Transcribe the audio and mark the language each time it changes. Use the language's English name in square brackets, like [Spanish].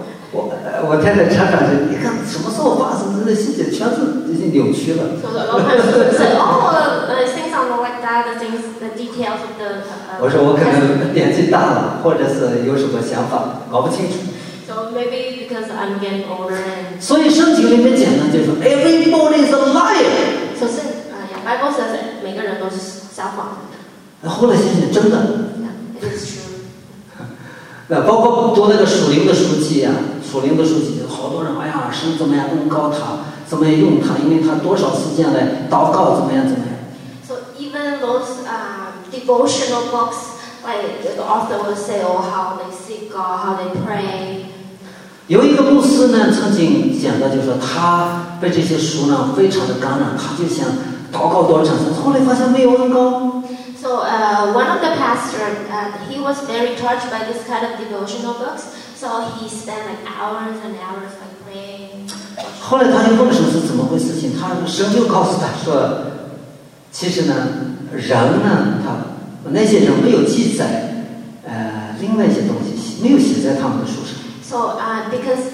[Chinese] 我太太常常就你看什么时候发生的细节全是已经扭曲了。 [English] So the old person said, "Oh, things are not like that. The things, the details of the." [Chinese] 我说我可能年纪大了，或者是有什么想法搞不清楚。 [English] So maybe because I'm getting older. [Chinese] 所以圣经里面讲呢，就是 [English] everybody is a liar. So Bible says [Chinese] 每个人都是撒谎的。然后来想想，真的。 [English] Yeah, it's true. [Chinese] 那包括读那个属灵的书籍啊。属灵的书籍，好多人，哎呀，神怎么样恩膏他，怎么样用他，因为他多少时间来祷告，怎么样。 [English] So even those devotional books, like the author will say, oh, how they seek God, how they pray. [Chinese] 有一个牧师呢，曾经讲到，就是说他被这些书呢非常的感染，他就想祷告多少场，后来发现没有恩膏。 [English] So One of the pastors, he was very touched by this kind of devotional books, so he spent like hours and hours like praying. [Chinese] 后来他就问神是怎么回事情，他那个圣经告诉他说，其实呢，人呢，他那些人没有记载，另外一些东西没有写在他们的书上。